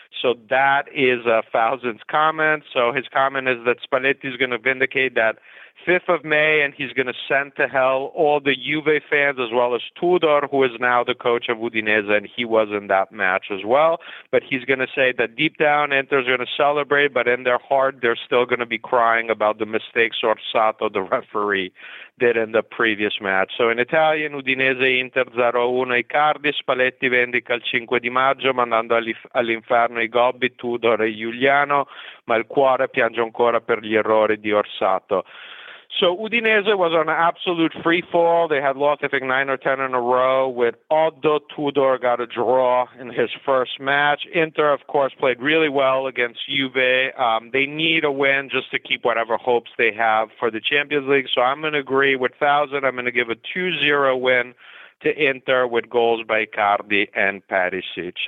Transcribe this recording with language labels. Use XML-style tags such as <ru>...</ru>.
<en>So that is a thousands comment. So his comment is that Spalletti is going to vindicate that 5th of May, and he's going to send to hell all the Juve fans as well as Tudor, who is now the coach of Udinese, and he was in that match as well. But he's going to say that deep down, Inter's going to celebrate, but in their heart, they're still going to be crying about the mistakes Orsato, the referee, did in the previous match. So in Italian,</en> <it>Udinese Inter 0-1 Icardi, Spalletti vendica il 5 di maggio mandando all'inferno i Gobbi, Tudor e Giuliano, ma il cuore piange ancora per gli errori di Orsato.</it> <en>So Udinese was on an absolute free fall. They had lost, I think, 9 or 10 in a row with Oddo. Tudor got a draw in his first match. Inter, of course, played really well against Juve. They need a win just to keep whatever hopes they have for the Champions League. So I'm going to agree with Thousand. I'm going to give a 2-0 win to Inter with goals by Icardi and Perisic.</en>